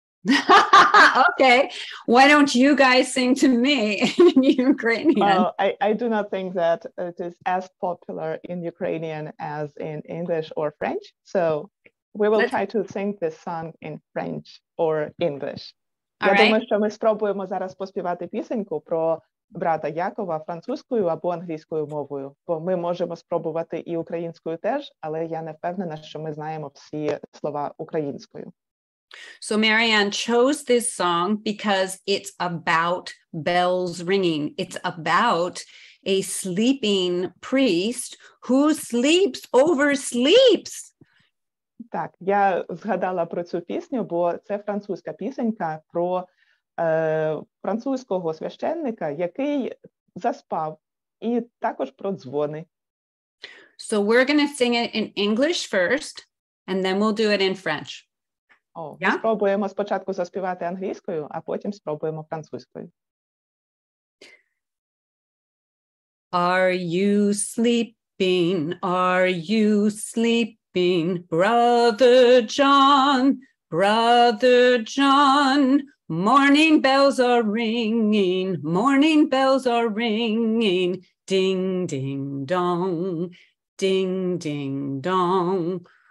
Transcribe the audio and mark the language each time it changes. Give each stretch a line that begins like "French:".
English: Okay, why don't you guys sing to me in Ukrainian? Well, I do not think that it is as popular in Ukrainian as in English or French, so... We will try to sing this song in French or English. All right.
Ukrainian: Я думаю, що ми спробуємо зараз поспівати пісеньку про брата Якова французькою або англійською мовою. Бо ми можемо спробувати і українською теж, але я не впевнена, що ми знаємо всі слова українською.
English: So Marianne chose this song because it's about bells ringing. It's about a sleeping priest who sleeps over sleeps.
Ukrainian: Так, я згадала про цю пісню, бо це французька пісенька про французького священника, який заспав, і також про дзвони.
English: So we're going to sing it in English first, and then we'll do it in French.
Ukrainian: Спробуємо спочатку заспівати англійською, а потім спробуємо французькою.
English: Are you sleeping? Are you sleeping? Brother John, Brother John, morning bells are ringing, morning bells are ringing, ding, ding, dong, ding, ding, dong.